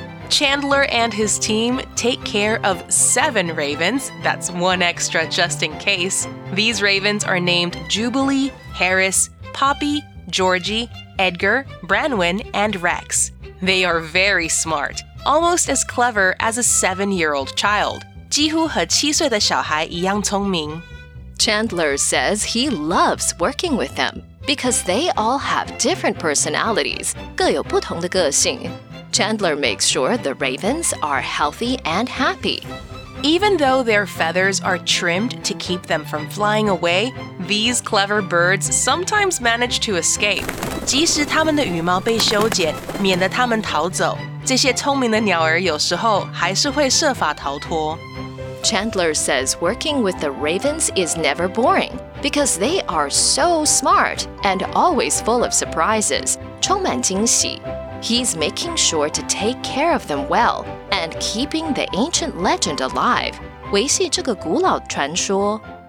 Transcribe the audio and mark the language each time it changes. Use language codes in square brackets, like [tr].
[en] Chandler and his team take care of 7 ravens. That's one extra just in case. These ravens are named Jubilee, Harris, Poppy, Georgie,Edgar, Branwyn, and Rex. They are very smart, almost as clever as a 7-year-old child. [zh] 几乎和七岁的小孩一样聪明。 [en] Chandler says he loves working with them because they all have different personalities, [zh] 各有不同的个性。 [en] Chandler makes sure the ravens are healthy and happy. Even though their feathers are trimmed to keep them from flying away, these clever birds sometimes manage to escape. [zh] 即使他们的羽毛被修剪，免得他们逃走，这些聪明的鸟儿有时候还是会设法逃脱。 [en] Chandler says working with the ravens is never boring because they are so smart and always full of surprises, [zh] 充满惊喜。 [en] He's making sure to take care of them well and keeping the ancient legend alive, [zh] 维系这个古老传说。